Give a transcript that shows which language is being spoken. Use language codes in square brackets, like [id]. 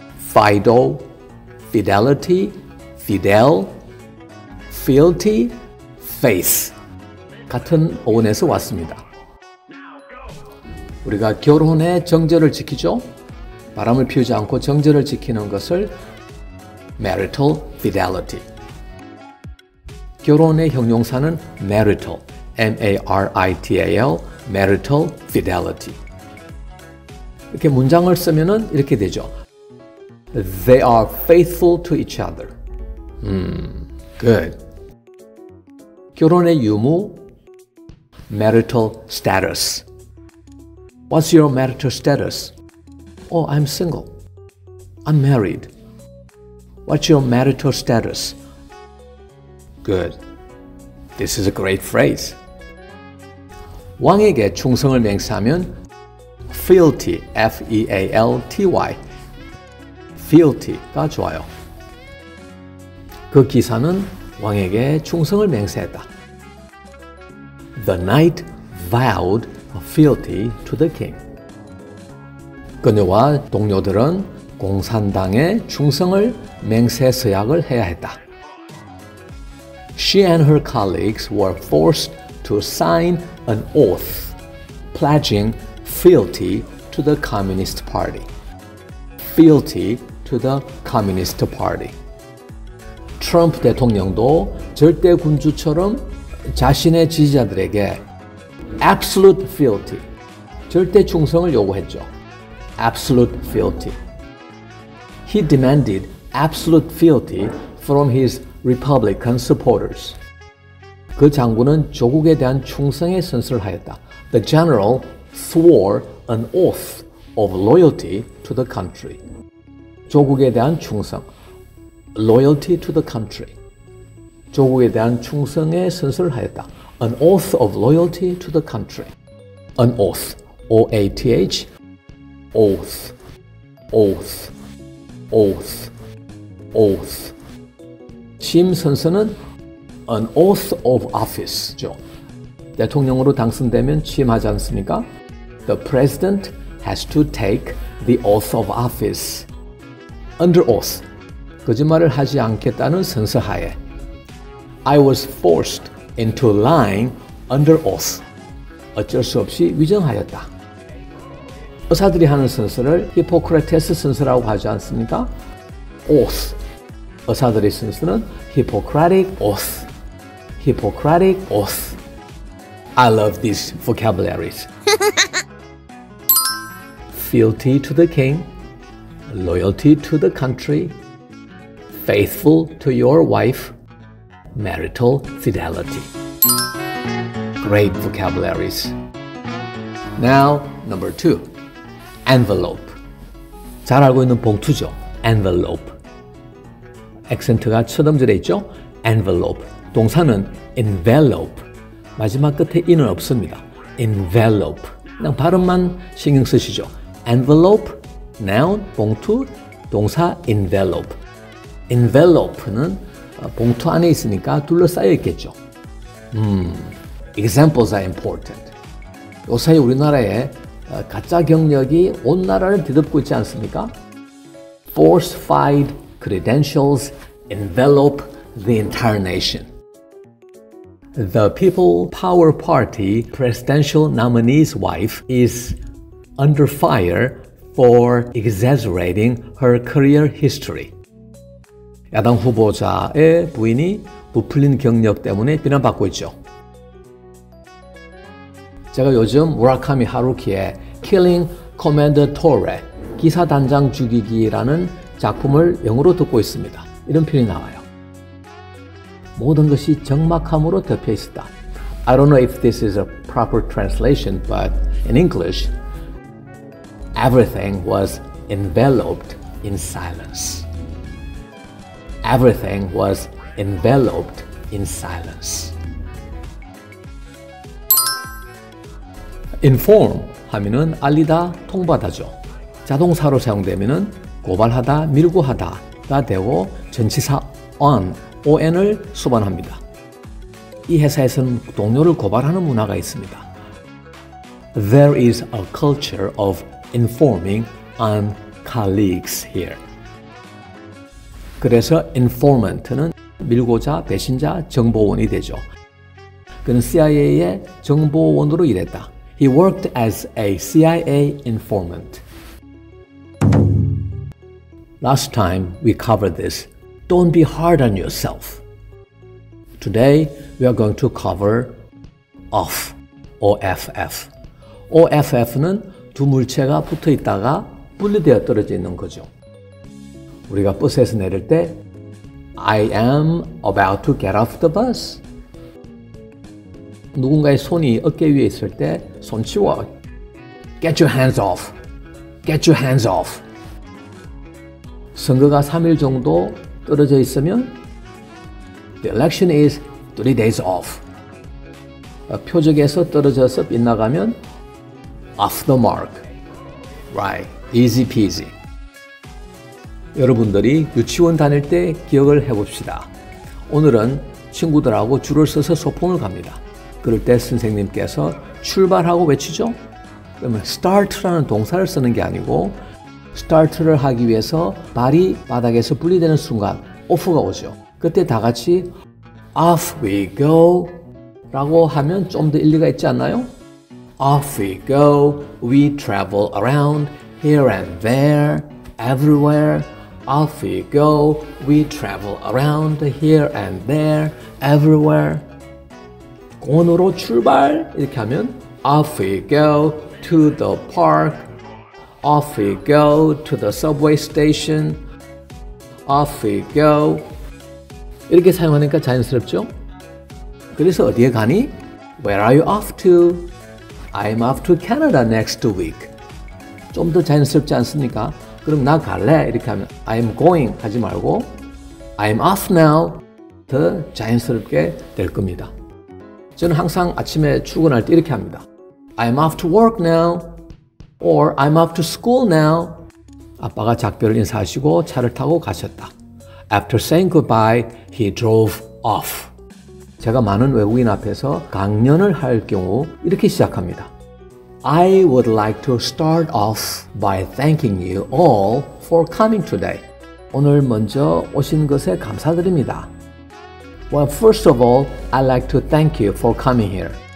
[en] Fido, Fidelity, Fidel, Fealty, Faith. [ko] 같은 어원에서 왔습니다. 우리가 결혼의 정절을 지키죠? 바람을 피우지 않고 정절을 지키는 것을 [en] marital fidelity. [ko] 결혼의 형용사는 marital, M-A-R-I-T-A-L, [en] marital fidelity. [ko] 이렇게 문장을 쓰면은 이렇게 되죠. [en] They are faithful to each other. Good. [ko] 결혼의 유무, [en] marital status. What's your marital status? Oh, I'm single. I'm married. What's your marital status? Good. This is a great phrase. [ko] 왕에게 충성을 맹세하면 fealty, F-E-A-L-T-Y. Fealty가 좋아요. 그 기사는 왕에게 충성을 맹세했다. [en] The knight vowed fealty to the king. [ko] 그녀와 동료들은 공산당에 충성을 맹세 서약을 해야 했다. [en] She and her colleagues were forced to sign an oath pledging fealty to the Communist Party. Fealty to the Communist Party. [ko] 트럼프 대통령도 절대 군주처럼 자신의 지지자들에게 [en] absolute fealty, [ko] 절대 충성을 요구했죠. [en] Absolute fealty. He demanded absolute fealty from his Republican supporters. [ko] 그 장군은 조국에 대한 충성의 선서를 하였다. [en] The general swore an oath of loyalty to the country. [ko] 조국에 대한 충성. [en] Loyalty to the country. [ko] 조국에 대한 충성의 선서를 하였다. [en] An oath of loyalty to the country. An oath. O-A-T-H. Oath. Oath. Oath. Oath. [ko] 취임 선서는 [en] An oath of office죠. [ko] 대통령으로 당선되면 취임하지 않습니까? [en] The president has to take the oath of office. Under oath. [ko] 거짓말을 하지 않겠다는 선서하에. [en] I was forced into lying under oath. [ko] 어쩔 수 없이 위증하였다. 의사들이 하는 선서를 히포크라테스 선서라고 하지 않습니까? [en] Oath. [ko] 의사들의 선서는 [en] Hippocratic oath. Hippocratic oath. I love these vocabularies. Fealty to the king. Loyalty to the country. Faithful to your wife. Marital fidelity. Great vocabularies. Now, number two. Envelope. [ko] 잘 알고 있는 봉투죠. [en] Envelope. [ko] 액센트가 첫 음절에 있죠. [en] Envelope. [ko] 동사는 envelope. 마지막 끝에 in은 없습니다. [en] Envelope. [ko] 그냥 발음만 신경 쓰시죠. [en] Envelope. Noun. 봉투. [ko] 동사 envelope. Envelope는 봉투 안에 있으니까 둘러싸여 있겠죠. [en] Examples are important. [ko] 요새 우리나라에 가짜 경력이 온 나라를 뒤덮고 있지 않습니까? [en] Falsified credentials envelop the entire nation. The People Power Party presidential nominee's wife is under fire for exaggerating her career history. [ko] 야당 후보자의 부인이 부풀린 경력 때문에 비난받고 있죠. 제가 요즘 무라카미 하루키의 Killing Commander Tore, 기사단장 죽이기라는 작품을 영어로 듣고 있습니다. 이런 표현이 나와요. 모든 것이 적막함으로 덮여 있었다. [en] I don't know if this is a proper translation, but in English, everything was enveloped in silence. Everything was enveloped in silence. [ko] Inform 하면은 알리다, 통보하다죠. 자동사로 사용되면은 고발하다, 밀고 하다가 되고 전치사 on, on을 수반합니다. 이 회사에서는 동료를 고발하는 문화가 있습니다. [en] There is a culture of informing on colleagues here. [ko] 그래서 informant는 밀고자, 배신자, 정보원이 되죠. 그는 CIA의 정보원으로 일했다. [en] He worked as a CIA informant. Last time we covered this, don't be hard on yourself. Today we are going to cover off, OFF. [ko] OFF는 두 물체가 붙어 있다가 분리되어 떨어져 있는 거죠. 우리가 버스에서 내릴 때 [en] I am about to get off the bus. [ko] 누군가의 손이 어깨 위에 있을 때 손 치워. [en] Get your hands off. Get your hands off. [ko] 선거가 3일 정도 떨어져 있으면 [en] The election is 3 days off. [ko] 표적에서 떨어져서 빗나가면 [en] Off the mark. Right. Easy peasy. [ko] 여러분들이 유치원 다닐 때 기억을 해봅시다. 오늘은 친구들하고 줄을 서서 소풍을 갑니다. 그럴 때 선생님께서 출발하고 외치죠? 그러면 start라는 동사를 쓰는 게 아니고 start를 하기 위해서 발이 바닥에서 분리되는 순간 off가 오죠. 그때 다 같이 [en] off we go [ko] 라고 하면 좀 더 일리가 있지 않나요? [en] Off we go. We travel around here and there, everywhere. Off we go. We travel around here and there, everywhere. [ko] 공원으로 출발 이렇게 하면 [en] Off we go to the park. Off we go to the subway station. Off we go. [ko] 이렇게 사용하니까 자연스럽죠? 그래서 어디에 가니? [en] Where are you off to? I'm off to Canada next week. [ko] 좀 더 자연스럽지 않습니까? 그럼 나 갈래? 이렇게 하면 [en] I'm going [ko] 하지 말고 [en] I'm off now. [ko] 더 자연스럽게 될 겁니다. 저는 항상 아침에 출근할 때 이렇게 합니다. [en] I'm off to work now. Or I'm off to school now. [ko] 아빠가 작별을 인사하시고 차를 타고 가셨다. [en] After saying goodbye, he drove off. [ko] 제가 많은 외국인 앞에서 강연을 할 경우 이렇게 시작합니다. [en] I would like to start off by thanking you all for coming today. [ko] 오늘 먼저 오신 것에 감사드립니다. [en] Well, first of all, I'd like to thank you for coming here.